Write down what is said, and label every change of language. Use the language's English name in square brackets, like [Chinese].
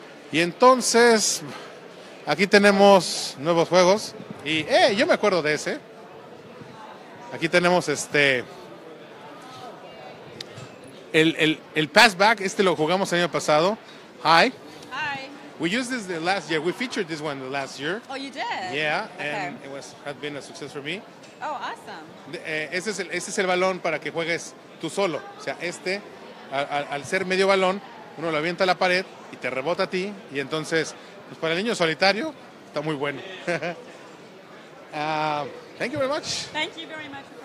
[Spanish] Y entonces, aquí tenemos nuevos juegos. Y, yo me acuerdo de ese. Aquí tenemos el pass back, este lo jugamos el año pasado. [English] Hi. Hi. We used this the last year. We featured this one the last year. Oh, you did? Yeah, okay. And it was had been a success for me. Oh, awesome. [Spanish] Ese es el balón para que juegues tú solo. O sea, este, al ser medio balón, uno lo avienta a la pared y te rebota a ti. Y entonces, pues para el niño solitario, está muy bueno. [English] thank you very much. Thank you very much.